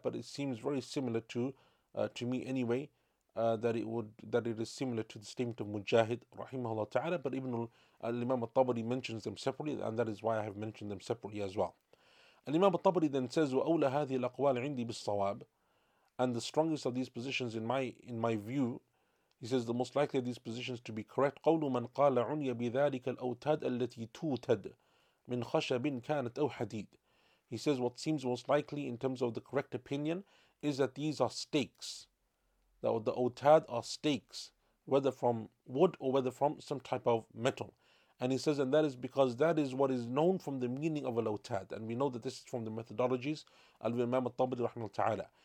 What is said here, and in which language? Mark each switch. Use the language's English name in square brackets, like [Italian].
[English] But it seems very similar to me anyway, that it is similar to the statement of Mujahid, rahimahullah ta'ala. But Ibn al-Imam al-Tabari mentions them separately, and that is why I have mentioned them separately as well. Al-Imam al-Tabari then says, [Arabic] وَأَوْلَ هَذِهِ الْأَقْوَالِ عِنْدِي بِالصَّوَابِ. [English] And the strongest of these positions in my view, he says the most likely of these positions to be correct. [Arabic] قول من قال عني بذلك الأوتاد التي توتد من خشب كانت أو حديد. [English] He says what seems most likely in terms of the correct opinion is that these are stakes. That the Otad are stakes, whether from wood or whether from some type of metal. And he says, and that is because that is what is known from the meaning of al-Otad. And we know that this is from the methodologies of Imam al-Tabari rahimahullah ta'ala.